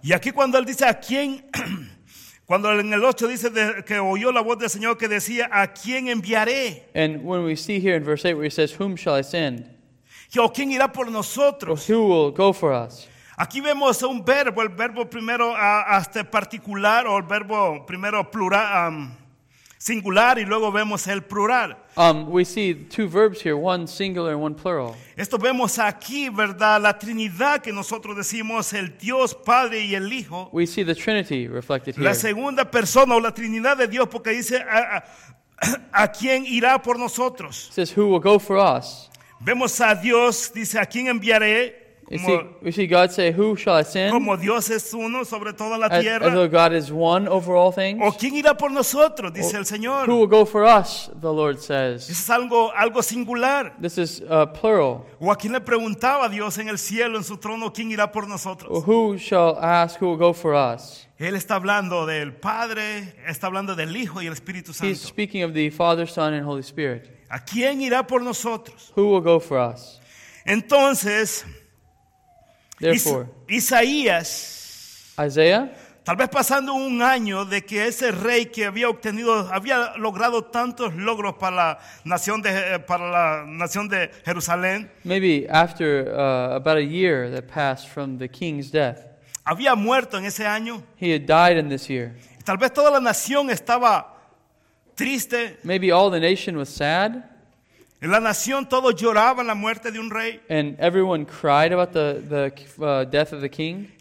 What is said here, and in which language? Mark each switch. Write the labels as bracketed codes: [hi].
[es] Y aquí cuando él dice a quién cuando en el 8 dice que oyó la voz del Señor que decía, ¿a quién enviaré? [en] And when we see here in verse 8 where he says, whom shall I send? [es] ¿O quién irá por nosotros? [en] Or who will go for us? [es] Aquí vemos un verbo, el verbo primero hasta particular o el verbo primero plural, singular y luego vemos el plural. [en] We see two verbs here, one singular and one plural. [es] Esto vemos aquí, ¿verdad? La Trinidad que nosotros decimos, el Dios Padre y el Hijo. [en] We see the Trinity reflected here. [es] La segunda persona o la Trinidad de Dios porque dice, ¿a quién irá por nosotros? [en] It says, who will go for us? [es] Vemos a Dios, dice, ¿a quién enviaré? [en] We see God say, who shall I send? [es] Como Dios es uno sobre toda la tierra. [en] As though God is one over all things. [es] ¿O quién irá por nosotros? Dice el Señor. [en] Who will go for us? The Lord says. [es] Eso es algo singular. [en] This is plural. [es] ¿O a quién le preguntaba Dios en el cielo, en su trono, quién irá por nosotros? [en] Who shall ask, who will go for us? [es] Él está hablando del Padre, está hablando del Hijo y el Espíritu Santo. [en] He's speaking of the Father, Son, and Holy Spirit. [es] ¿A quién irá por nosotros? [en] Who will go for us? [es] Entonces, [en] therefore, [es] Isaías, [en] Isaiah, [es] tal vez pasando un año de que ese rey que había obtenido, había logrado tantos logros para la nación de Jerusalén. [en] Maybe after about a year that passed from the king's death. [es] Había muerto en ese año. [en] He had died in this year. [es] Tal vez toda la nación estaba triste. [en] Maybe all the nation was sad. [es] En la nación todos lloraban la muerte de un rey. [en] And everyone cried about the death of the king.